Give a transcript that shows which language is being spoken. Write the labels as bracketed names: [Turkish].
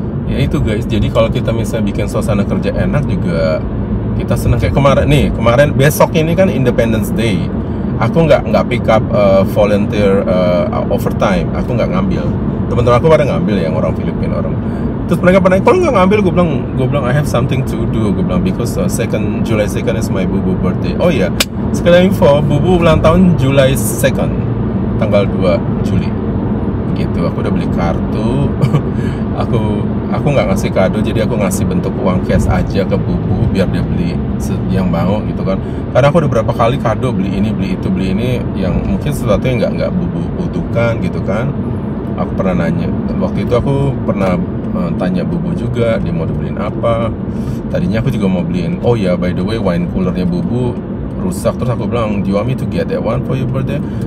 [Indonesian] Ya itu guys, jadi kalau kita misalnya bikin suasana kerja enak juga kita senang. Kayak kemarin nih, kemarin besok ini kan Independence Day, aku nggak [English] pick up volunteer overtime, [Indonesian] aku nggak ngambil. Teman-teman aku pada ngambil yang orang Filipina orang. Terus mereka pernah, kok lu nggak ngambil? Gue bilang [English] I have something to do. [Indonesian] Gue bilang [English] because July 2nd is my bubu birthday. [Indonesian] Oh ya, sekedar info, bubu ulang tahun July 2nd, tanggal 2 Juli. Gitu, aku udah beli kartu. Aku gak ngasih kado, jadi aku ngasih bentuk uang cash aja ke bubu biar dia beli yang mau gitu kan. Karena aku udah berapa kali kado beli ini yang mungkin sesuatu yang gak bubu butuhkan gitu kan. Aku pernah nanya, waktu itu aku pernah tanya bubu juga dia mau dibeliin apa. Tadinya aku juga mau beliin, oh ya [English] by the way [Indonesian] wine coolernya bubu rusak. Terus aku bilang, [English] do you want me to get that one for your birthday?